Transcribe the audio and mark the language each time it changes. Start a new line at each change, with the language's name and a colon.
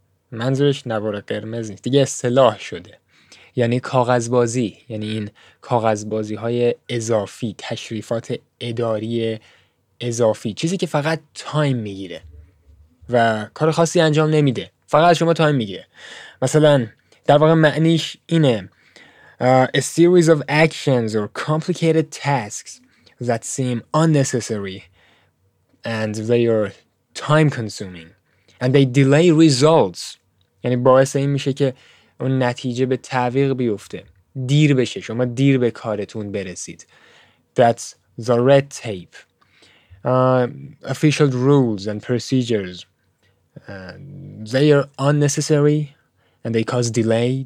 Persian: منظورش نوار قرمز نیست. دیگه اصطلاح شده. یعنی کاغذبازی. یعنی این کاغذبازی های اضافی. تشریفات اداری اضافی، چیزی که فقط تایم میگیره و کار خاصی انجام نمیده، فقط شما تایم میگیره. مثلا در واقع معنیش اینه
English: a series of actions or complicated tasks that seem unnecessary and they are time consuming and they delay results.
Persian: یعنی باعث این میشه که اون نتیجه به تعویق بیفته، دیر بشه، شما دیر به کارتون برسید.
English: That's the red tape. Official rules and procedures, they are unnecessary and they cause delay.